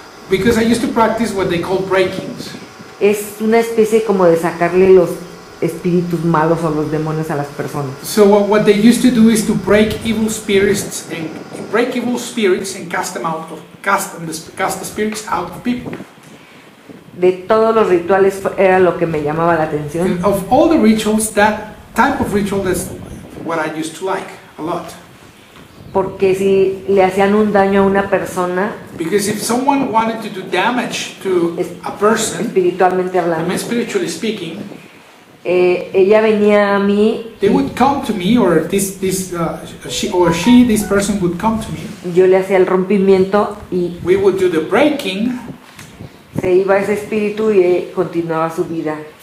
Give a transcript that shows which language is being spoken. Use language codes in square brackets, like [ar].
[en] Because I used to practice what they call breakings. [es] Es una especie como de sacarle los espíritus malos o los demonios a las personas. [en] So what they used to do is to break evil spirits and break evil spirits and cast the spirits out of people. [es] De todos los rituales era lo que me llamaba la atención. [en] And of all the rituals, that type of ritual is what I used to like a lot. [es] Porque si le hacían un daño a una persona, [en] because if someone wanted to do damage to a person, [es] espiritualmente hablando, [en] I mean spiritually speaking, [es] ella venía a mí, [en] they would come to me, or this person would come to me, [es] yo le hacía el rompimiento y [en] we would do the breaking, [es] se iba ese espíritu y continuaba su vida.